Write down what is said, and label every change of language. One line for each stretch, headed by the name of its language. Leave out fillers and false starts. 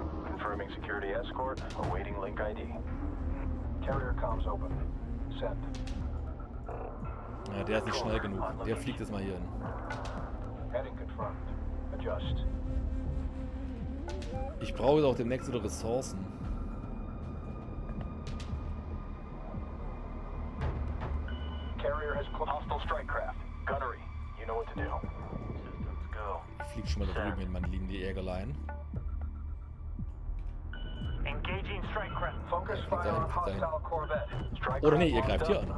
English: Confirming security escort, awaiting link ID. Carrier comms open. Send.
German: Ja, der ist nicht schnell genug. Der fliegt jetzt mal hier hin.
English: Heading confirmed. Adjust.
German: Ich brauche jetzt auch demnächst wieder Ressourcen.
English: Carrier has hostile strike craft. Gunnery, you know what to do. Systems go.
German: Ich flieg schon mal da drüben hin, meine lieben, die Ärgerlein.
English: Engaging strike craft. Focus fire on hostile Corvette. Strike.
German: Oder nee, ihr greift hier an.